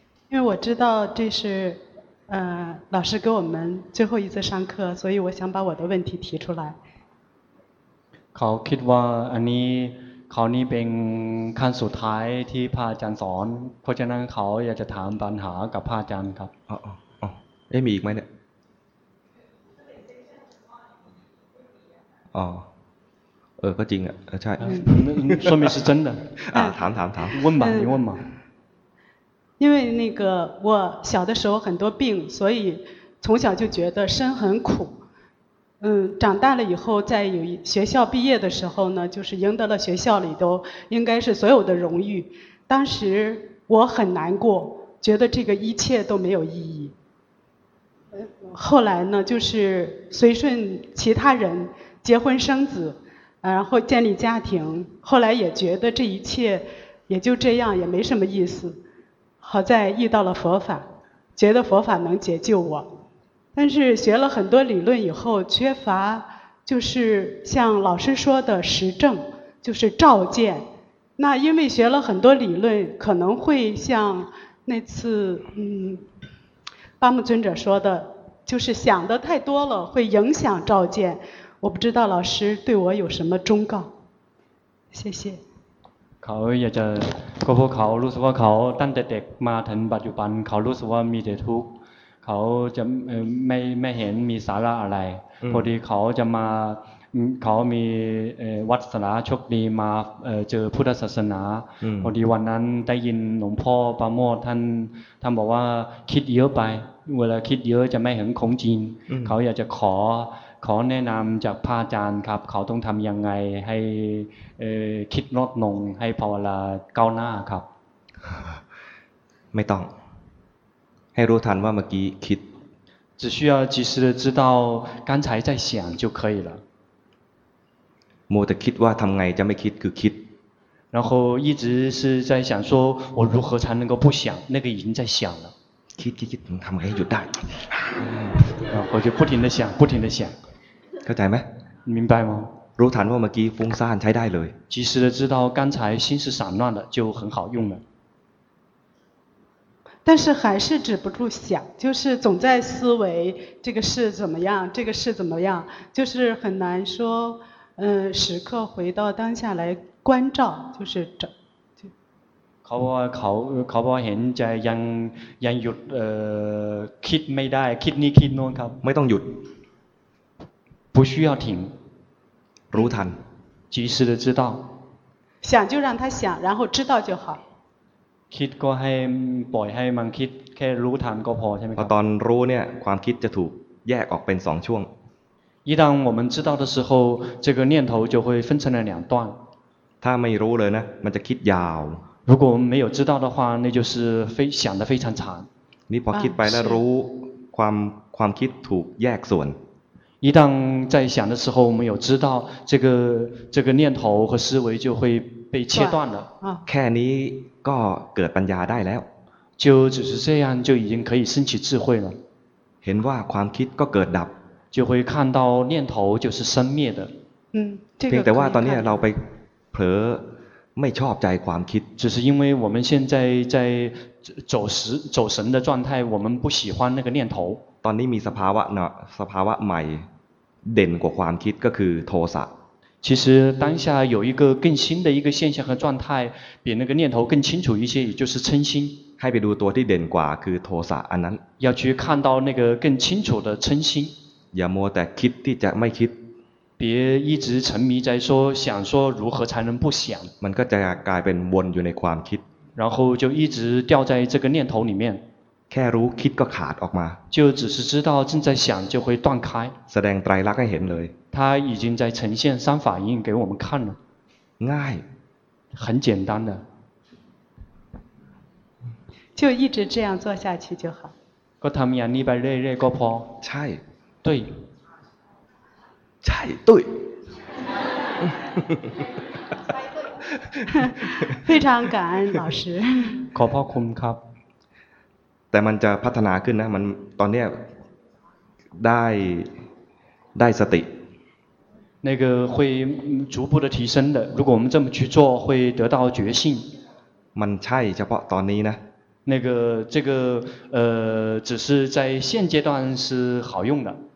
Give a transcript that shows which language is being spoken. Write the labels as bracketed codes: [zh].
[zh] 因为我知道这是老师给我们最后一次上课所以我想把我的问题提出来 [th] เขาคิดว่าอันนี้เขานี่เป็นครั้งสุดท้ายที่พระอาจารย์สอนเพราะฉะนั้นเขาอยากจะถามปัญหากับพระอาจารย์ครับ อ๋อเอ๊ะมีอีกไหมเนี่ยอ๋อก็จริงอ่ะใช่ [zh] 说明是真的 [th] ถาม [zh] 问吧你问吧因为那个我小的时候很多病所以从小就觉得身很苦长大了以后在有学校毕业的时候呢就是赢得了学校里都应该是所有的荣誉当时我很难过觉得这个一切都没有意义后来呢就是随顺其他人结婚生子然后建立家庭后来也觉得这一切也就这样也没什么意思好在遇到了佛法觉得佛法能解救我但是学了很多理论以后缺乏就是像老师说的实证就是照见那因为学了很多理论可能会像那次巴木尊者说的就是想的太多了会影响照见我不知道老师对我有什么忠告谢谢 [th] เขาอยากจะก็เพราะเขารู้สึกว่าเขาตั้งแต่เด็กมาถึงปัจจุบันเขารู้สึกว่ามีแต่ทุกข์เขาจะ ไม่เห็นมีสาระอะไรพอดีเขาจะมาเขามีวัฒนาโชคดีมาเจอพุทธศาสนาพอดีวันนั้นได้ยินหลวงพ่อปราโมทท่านบอกว่าคิดเยอะไปเวลาคิดเยอะจะไม่เห็นของจริงเขาอยากจะขอแนะนำจากพระอาจารย์ครับเขาต้องทำยังไงให้คิดลดลงให้ภาวนาก้าวหน้าครับ ไม่ต้องให้รู้ทันว่าเมื่อกี้คิด [zh] 只需要及时的知道刚才在想就可以了 [th] มัวแต่คิดว่าทำไงจะไม่คิดคือคิด [zh] 然后一直是在想说我如何才能够不想那个已经在想了 [th] คิดทำไงให้หยุดได้เขาจะพูดถึงในเสียง เข้าใจไหม [zh] 明白吗 [th] รู้ทันว่าเมื่อกี้ฟุ้งซ่านใช้ได้เลย [zh] 及时的知道刚才心是散乱的就很好用了但是还是止不住想，就是总在思维这个事怎么样，这个事怎么样，就是很难说，时刻回到当下来关照，就是这。 [th] เขาเห็นใจยังหยุดคิดไม่ได้คิดนี่คิดโน้นครับ ไม่ต้องหยุด [zh] 不需要停 [th] รู้ทัน [zh] 及时的知道想就让他想然后知道就好 [th] คิดก็ให้ปล่อยให้มันคิดแค่รู้ทันก็พอใช่ไหมครับตอนรู้เนี่ยความคิดจะถูกแยกออกเป็นสองช่วง [zh] 一旦我们知道的时候这个念头就会分成了两段 [th] ถ้าไม่รู้เลยนะมันจะคิดยาว [zh] 如果没有知道的话那就是非想得非常长 [th] นี่พอคิดไปแล้วรู้ความคิดถูกแยกส่วน [zh] 一旦在想的时候我们有知道这个念头和思维就会被切断了 [th] แค่นี้ก็เกิดปัญญาได้แล้ว [zh] 就只是这样就已经可以升起智慧了 [th] เห็นว่าความคิดก็เกิดดับ [zh] 就会看到念头就是生灭的这个 [th] แต่ว่าตอนนี้เราไปเผลอไม่ชอบใจความคิด [zh] 只是因为我们现在在走神的状态我们不喜欢那个念头 [th] ตอนนี้มีสภาวะเนาะสภาวะใหม่เด่นกว่าความคิดก็คือโทสะ [zh] 其实当下有一个更新的一个现象和状态比那个念头更清楚一些也就是嗔心 [th] ให้ไปดูตัวที่เด่นกว่าคือโทสะอันนั้น [zh] 要去看到那个更清楚的嗔心 [th] อย่ามัวแต่คิดที่จะไม่คิด [zh] Be 一直沉迷在说想说如何才能不想 [th] มันก็จะกลายเป็นวนอยู่ในความคิด [zh] 然后就一直掉在这个念头里面 [th] แค่รู้คิดก็ขาดออกมา [zh] 就只是知道正在想就会断开 [th] แสดงไตรลักษณ์ให้เห็นเลย [zh] 他已经在呈现三法印给我们看了 [th] ง่าย [zh] 很简单的就一直这样做下去就好 [th] ก็ทำอย่างนี้ไปเรื่อยๆก็พอ ใช่ [zh] 对 [th] ใช่ตุ้ย [zh] 非常感恩老师 [th] ขอบพระคุณครับ แต่มันจะพัฒนาขึ้นนะมันตอนนี้ได้สติ [zh] 那个会逐步的提升的如果我们这么去做会得到觉性 [th] มันใช่เฉพาะตอนนี้นะ [zh] 那个这个只是在现阶段是好用的